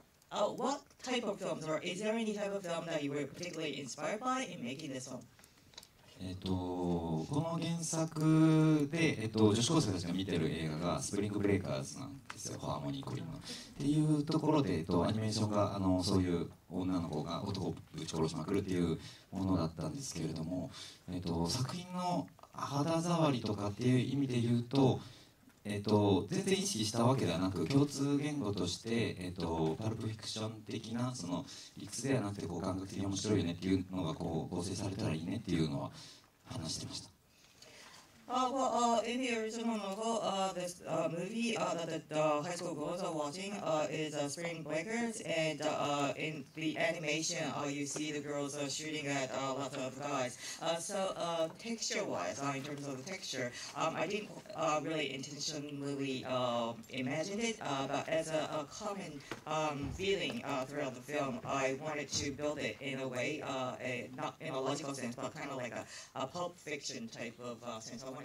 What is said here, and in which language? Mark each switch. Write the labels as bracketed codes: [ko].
[en] What type of films, or is there any type of film that you were particularly inspired by in making this film? [ja] この原作で、女子高生たちが見てる映画がスプリングブレイカーズなんですよ、ハーモニー・コリンの。っていうところで、アニメーションがそういう女の子が男をぶち殺しまくるっていうものだったんですけれども、作品の肌触りとかっていう意味で言うと、全然意識したわけではなく、共通言語としてパルプフィクション的なその理屈ではなくて、こう感覚的に面白いよねっていうのがこう合成されたらいいねっていうのは話してました。 [en] In the original novel, this movie that the high school girls are watching is Spring Breakers, and in the animation, you see the girls are shooting at lots of guys. Texture-wise, in terms of the texture, I didn't really intentionally imagine it, but as a common feeling throughout the film, I wanted to build it in a way, not in a logical sense, but kind of like a pulp fiction type of sense.